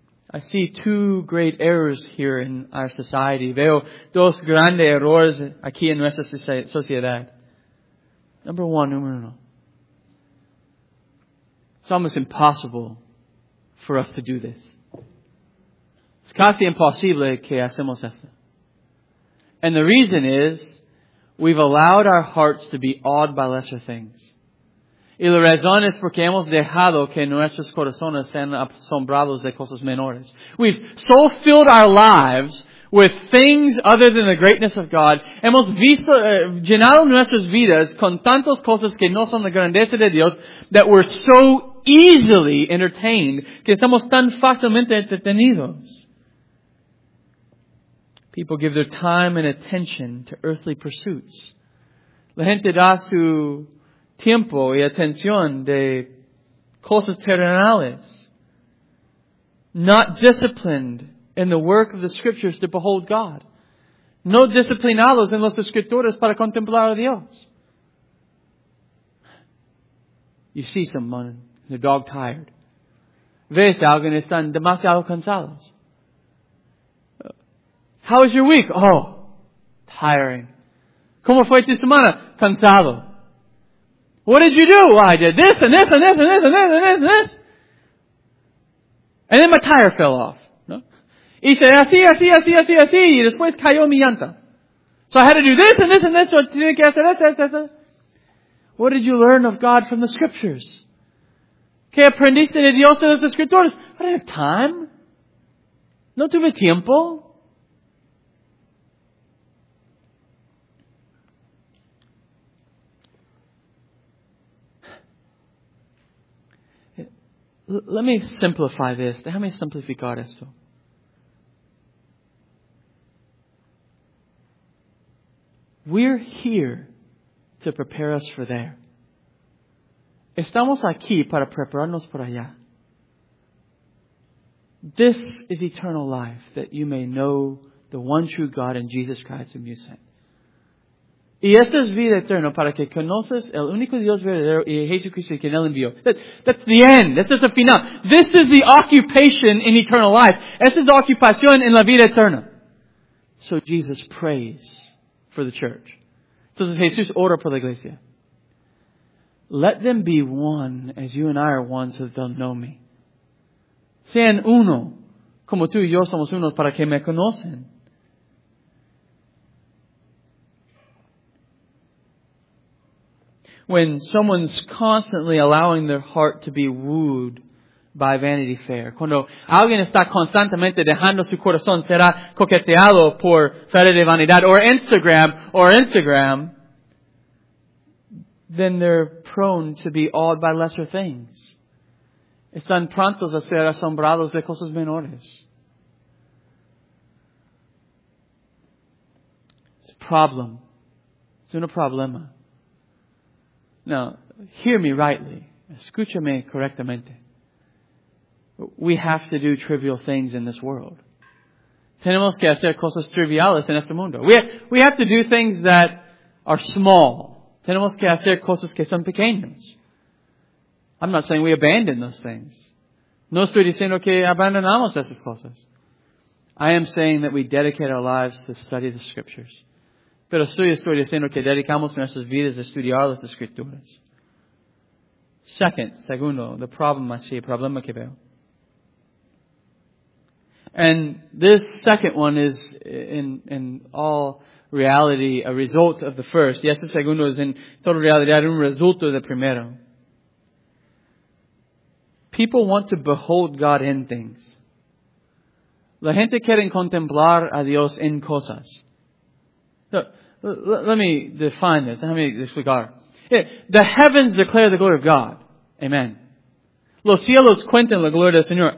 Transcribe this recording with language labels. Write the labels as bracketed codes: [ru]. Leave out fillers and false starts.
[en] I see two great errors here in our society. [es] Veo dos grandes errores aquí en nuestra sociedad. [en] Number one, [es] número uno. [en] It's almost impossible for us to do this. [es] Es casi imposible que hacemos esto. [en] And the reason is, we've allowed our hearts to be awed by lesser things. [es] Y la razón es porque hemos dejado que nuestros corazones sean asombrados de cosas menores. [en] We've so filled our lives with things other than the greatness of God. [es] Hemos visto, llenado nuestras vidas con tantas cosas que no son la grandeza de Dios, [en] that we're so easily entertained, [es] que estamos tan fácilmente entretenidos. [en] People give their time and attention to earthly pursuits. [es] La gente da su tiempo y atención de cosas terrenales. [en] Not disciplined in the work of the Scriptures to behold God. [es] No disciplinados en las Escrituras para contemplar a Dios. [en] You see someone, they're dog tired. [es] Ves a alguien, están demasiado cansados. [en] How was your week? Oh, tiring. [es] ¿Cómo fue tu semana? Cansado. [en] What did you do? Well, I did this and this and this and this and this and this and this. And then my tire fell off. [es] Y dice, así, así, así, así, así, y después cayó mi llanta. [en] So I had to do this and this and this. What did you learn of God from the Scriptures? [es] ¿Qué aprendiste de Dios de las Escrituras? [en] I didn't have time. [es] No tuve tiempo. [en] Let me simplify this. [es] Déjame simplificar esto. [en] We're here to prepare us for there. [es] Estamos aquí para prepararnos por allá. [en] This is eternal life, that you may know the one true God and Jesus Christ whom you sent. [es] Y esta es vida eterna para que conoces el único Dios verdadero y Jesucristo quien él envió. [en] That's the end. That's just the final. This is the occupation in eternal life. [es] Esta es la ocupación en la vida eterna. [en] So Jesus prays for the church. [es] Entonces Jesús ora por la iglesia. [en] Let them be one as you and I are one so that they'll know me. [es] Sean uno como tú y yo somos uno para que me conocen. [en] When someone's constantly allowing their heart to be wooed by Vanity Fair. [es] Cuando alguien está constantemente dejando su corazón será coqueteado por Feria de Vanidad [en] or Instagram. Then they're prone to be awed by lesser things. [es] Están prontos a ser asombrados de cosas menores. [en] It's a problem. [es] Es un problema. [en] Now, hear me rightly. [es] Escúchame correctamente. [en] We have to do trivial things in this world. [es] Tenemos que hacer cosas triviales en este mundo. [en] We have to do things that are small. [es] Tenemos que hacer cosas que son pequeñas. [en] I'm not saying we abandon those things. [es] No estoy diciendo que abandonamos esas cosas. [en] I am saying that we dedicate our lives to study the Scriptures. [es] Pero sí estoy diciendo que dedicamos nuestras vidas a estudiar las Escrituras. Segundo, [en] the problem I see, [es] el problema que veo. [en] And this second one is in all reality a result of the first. [es] Y este segundo es en toda realidad un resultado del primero. [en] People want to behold God in things. [es] La gente quiere contemplar a Dios en cosas. [en] Let me define this. Let me explicar. The heavens declare the glory of God. Amen. [es] Los cielos cuentan la gloria del Señor.